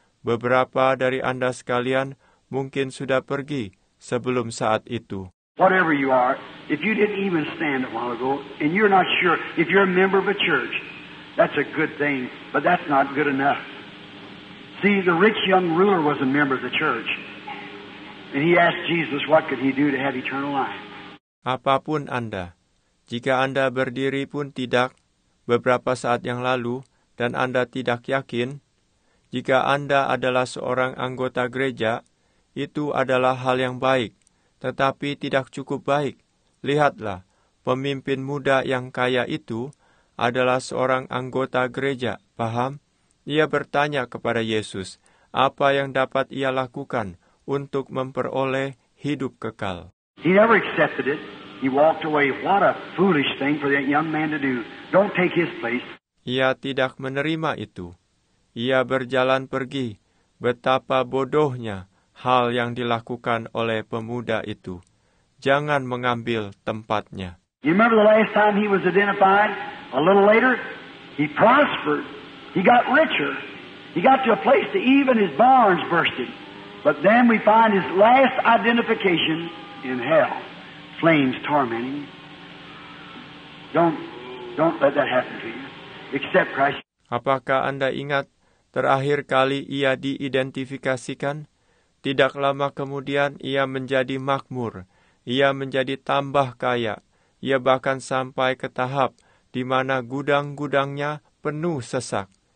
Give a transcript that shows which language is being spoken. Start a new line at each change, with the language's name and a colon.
Indonesian: Beberapa dari Anda sekalian mungkin sudah pergi sebelum saat itu.
English: Whatever you are, if you didn't even stand a while ago, and you're not sure, if you're a member of a church, that's a good thing, but that's not good enough. See, the rich young ruler was a member of the church, and he asked Jesus what could he do to have eternal life.
Indonesian: Apapun Anda. Jika Anda berdiri pun tidak, beberapa saat yang lalu, dan Anda tidak yakin, jika Anda adalah seorang anggota gereja, itu adalah hal yang baik, tetapi tidak cukup baik. Lihatlah, pemimpin muda yang kaya itu adalah seorang anggota gereja, paham? Ia bertanya kepada Yesus, apa yang dapat ia lakukan untuk memperoleh hidup kekal?
English: He never accepted it. He walked away. What a foolish thing for that young man to do. Don't take his place.
Indonesian: Ia tidak menerima itu. Ia berjalan pergi. Betapa bodohnya hal yang dilakukan oleh pemuda itu. Jangan mengambil tempatnya.
English: You remember the last time he was identified? A little later, he prospered. He got richer. He got to a place that even his barns bursted. But then we find his last identification in hell. Flames tormenting. Don't let that happen to you. Except Christ.
Indonesian: Apakah Anda ingat terakhir kali ia diidentifikasikan? Tidak lama kemudian ia menjadi makmur. Ia menjadi tambah kaya. Ia bahkan sampai ke tahap di mana gudang-gudangnya penuh sesak.